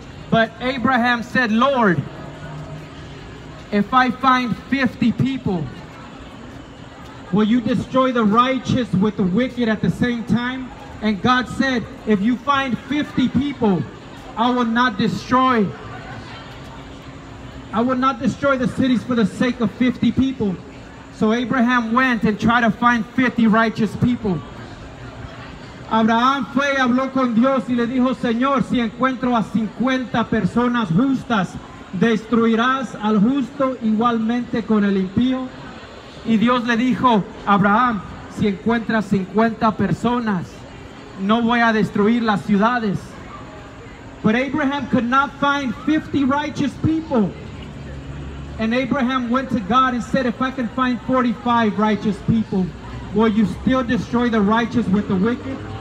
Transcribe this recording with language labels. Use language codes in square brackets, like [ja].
[en] But Abraham said, Lord, if I find 50 people, will you destroy the righteous with the wicked at the same time? And God said, if you find 50 people, I will not destroy the cities for the sake of 50 people. So Abraham went and tried to find 50 righteous people. [es] Abraham fue y habló con Dios y le dijo, Señor, si encuentro a 50 personas justas, ¿destruirás al justo igualmente con el impío? Y Dios le dijo, Abraham, si encuentras 50 personas, no voy a destruir las ciudades. [en] But Abraham could not find 50 righteous people. And Abraham went to God and said, if I can find 45 righteous people, will you still destroy the righteous with the wicked?